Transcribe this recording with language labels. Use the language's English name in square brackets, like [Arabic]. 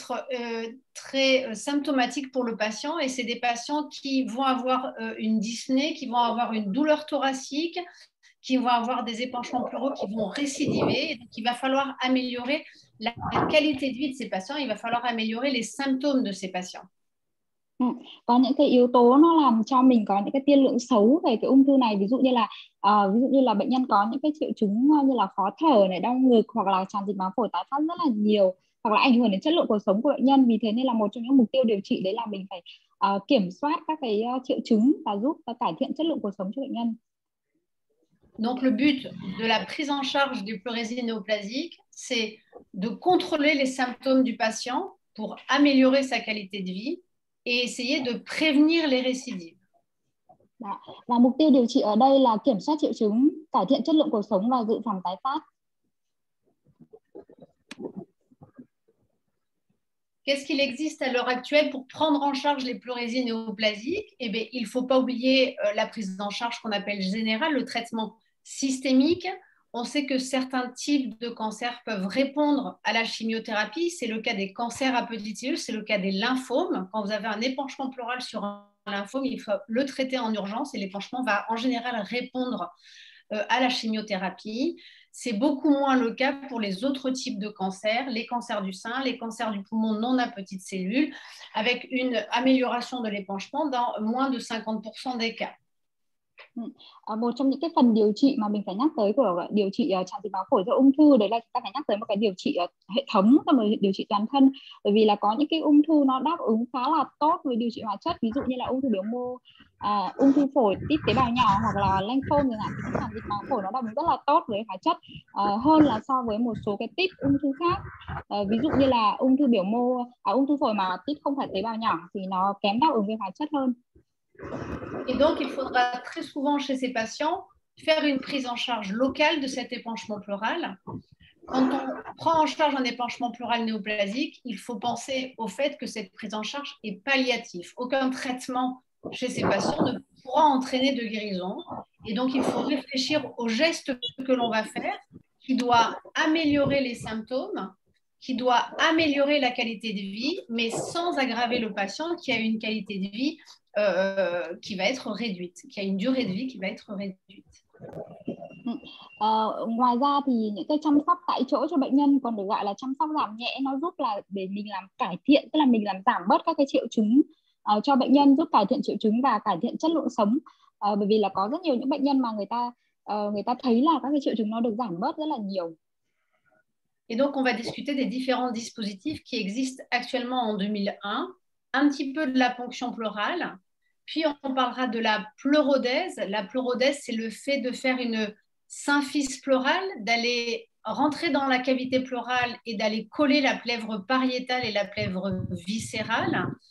[French] va être très symptomatique pour le patient. Et c'est des patients qui vont avoir une dyspnée, qui vont avoir une douleur thoracique, qui vont avoir des épanchements pleuraux qui vont récidiver. Et donc, il va falloir améliorer la qualité de vie de ces patients. Il va falloir améliorer les symptômes de ces patients. [Vietnamese] Có những cái yếu tố nó làm cho mình có những cái tiên lượng xấu về cái ung thư này, ví dụ như là bệnh nhân có những cái triệu chứng như là khó thở này, đau ngực hoặc là tràn dịch máu phổi tái phát rất là nhiều, hoặc là ảnh hưởng đến chất lượng cuộc sống của bệnh nhân. Vì thế nên là một trong những mục tiêu điều trị đấy là mình phải kiểm soát các cái triệu chứng và giúp và cải thiện chất lượng cuộc sống cho bệnh nhân. [French] Donc le but de la prise en charge du pleurésie néoplasique, c'est de contrôler les symptômes du patient pour améliorer sa qualité de vie et essayer de prévenir les récidives. [Vietnamese] Đó. Và mục tiêu điều trị ở đây là kiểm soát triệu chứng, cải thiện chất lượng cuộc sống và dự phòng tái phát. [French] Qu'est-ce qu'il existe à l'heure actuelle pour prendre en charge les pleurésies néoplasiques? Eh bien, il ne faut pas oublier la prise en charge qu'on appelle générale, le traitement systémique. On sait que certains types de cancers peuvent répondre à la chimiothérapie. C'est le cas des cancers à petites cellules, c'est le cas des lymphomes. Quand vous avez un épanchement pleural sur un lymphome, il faut le traiter en urgence et l'épanchement va en général répondre à la chimiothérapie. C'est beaucoup moins le cas pour les autres types de cancers, les cancers du sein, les cancers du poumon non à petites cellules, avec une amélioration de l'épanchement dans moins de 50% des cas. [Vietnamese] Một trong những cái phần điều trị mà mình phải nhắc tới của điều trị tràn dịch máu phổi do ung thư đấy là chúng ta phải nhắc tới một cái điều trị hệ thống và một điều trị toàn thân, bởi vì là có những cái ung thư nó đáp ứng khá là tốt với điều trị hóa chất, ví dụ như là ung thư biểu mô, ung thư phổi típ tế bào nhỏ hoặc là lymphoma chẳng hạn, thì tràn dịch máu phổi nó đáp ứng rất là tốt với hóa chất hơn là so với một số cái típ ung thư khác, ví dụ như là ung thư biểu mô, ung thư phổi mà típ không phải tế bào nhỏ thì nó kém đáp ứng với hóa chất hơn. [French] Et donc, il faudra très souvent chez ces patients faire une prise en charge locale de cet épanchement pleural. Quand on prend en charge un épanchement pleural néoplasique, il faut penser au fait que cette prise en charge est palliative. Aucun traitement chez ces patients ne pourra entraîner de guérison. Et donc, il faut réfléchir aux gestes que l'on va faire qui doit améliorer les symptômes, qui doit améliorer la qualité de vie, mais sans aggraver le patient qui a une qualité de vie qui va être réduite, qui a une durée de vie qui va être réduite. [Vietnamese] Ngoài ra thì những cái chăm sóc tại chỗ cho bệnh nhân còn được gọi là chăm sóc giảm nhẹ, nó giúp là để mình làm cải thiện, tức là mình làm giảm bớt các cái triệu chứng cho bệnh nhân, giúp cải thiện triệu chứng và cải thiện chất lượng sống. Bởi vì là có rất nhiều những bệnh nhân mà người ta thấy là các cái triệu chứng nó được giảm bớt rất là nhiều. [French] Et donc, on va discuter des différents dispositifs qui existent actuellement en 2001, un petit peu de la ponction pleurale, puis on parlera de la pleurodèse. La pleurodèse, c'est le fait de faire une symphyse pleurale, d'aller rentrer dans la cavité pleurale et d'aller coller la plèvre pariétale et la plèvre viscérale.